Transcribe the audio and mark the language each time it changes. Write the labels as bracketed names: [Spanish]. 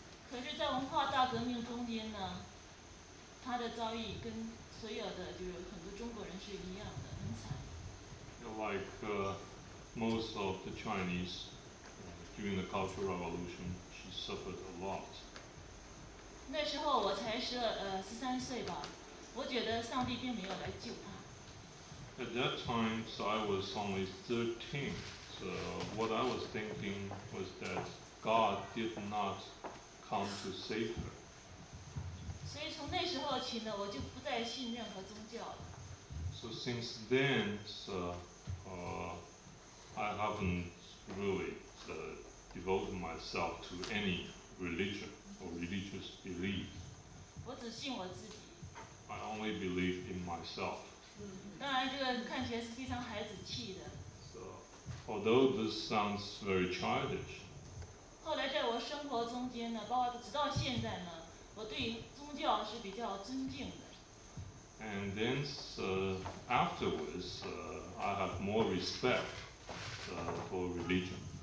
[Chinese] 可是在文化大革命中间呢, 她的遭遇跟所有的, 就是很多中国人是一样的, [English] like most of the Chinese during the Cultural Revolution, she suffered a lot. [Chinese] 那时候我才13岁吧, 我觉得上帝并没有来救她。 [English] At that time, so I was only 13, so what I was thinking was that God did not come to save her. [Chinese] 所以从那时候起呢, 我就不再信任何宗教了。 [English] So since then, so, I haven't really devoted myself to any religion or religious belief. [Chinese] 我只信我自己。 [English] I only believe in myself. [Chinese] 当然这个看起来是非常孩子气的。 [English] So, although this sounds very childish, [Chinese] 后来在我生活中间呢, 包括直到现在呢, 我对宗教是比较尊敬的。 [English] And then afterwards, I have more respect for religion.